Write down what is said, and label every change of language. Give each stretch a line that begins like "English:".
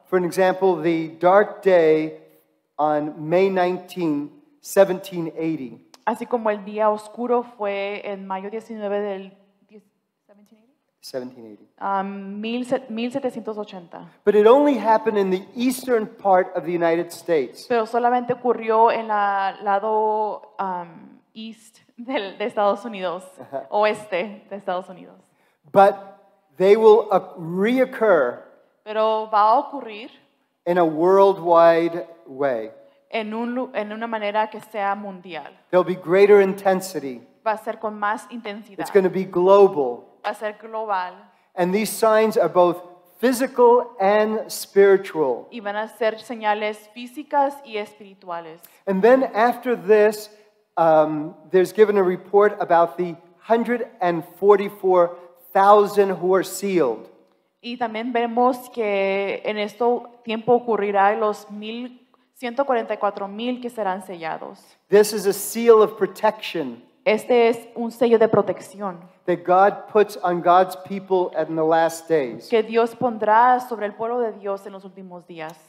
English: For an example, the dark day on May 19, 1780.
Spanish: Así como el día oscuro fue en mayo 19 del 1780.
English: But it only happened in the eastern part of the United States.
Spanish: Pero solamente ocurrió en el lado east de Estados Unidos, oeste de Estados Unidos.
English: But They will reoccur.
Spanish: Pero va a ocurrir.
English: In a worldwide way.
Spanish: En una manera que sea mundial.
English: There'll be greater intensity.
Spanish: Va a ser con más intensidad.
English: It's going to be global.
Spanish: Va a ser global.
English: And these signs are both physical and spiritual.
Spanish: Y van a ser señales físicas y espirituales.
English: And then after this, there's given a report about the 144,000 who are sealed.
Spanish: Y también vemos que en esto tiempo ocurrirá los 144,000 que serán sellados.
English: This is a seal of protection.
Spanish: Este es un sello de protección.
English: That God puts on God's people in the last days.
Spanish: Que Dios pondrá sobre el pueblo de Dios en los últimos días.